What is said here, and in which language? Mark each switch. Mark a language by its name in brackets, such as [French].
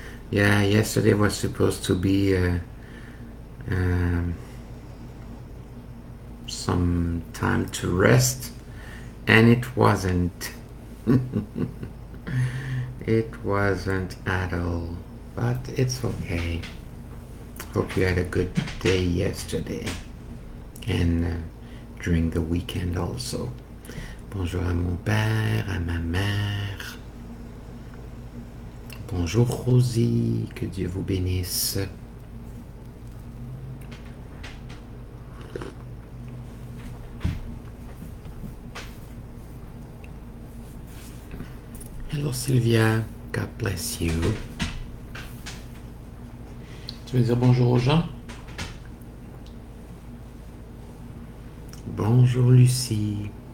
[English] Yeah, yesterday was supposed to be some time to rest, and it wasn't. It wasn't at all, but it's okay. Hope you had a good day yesterday and during the weekend also. [French] Bonjour à mon père, à ma mère. Bonjour Rosie, que Dieu vous bénisse. [English] Hello Sylvia, God bless you. [French] Je veux dire bonjour aux gens. Bonjour Lucie.